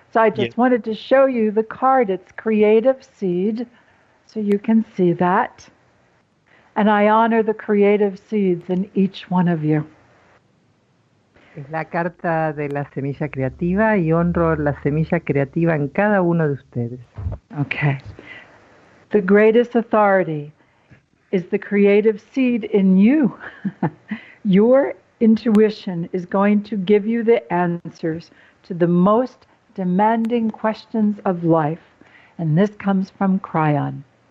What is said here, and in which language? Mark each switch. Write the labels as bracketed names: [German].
[English] So I just wanted to show you the card. It's Creative Seed, so you can see that. And I honor the creative seeds in each one of you. [Spanish] Es la carta de la semilla creativa y honro la semilla creativa en cada uno de ustedes. [English] Okay. The greatest authority is the creative seed in you. Your intuition is going to give you the answers to the most demanding questions of life, and this comes from Kryon.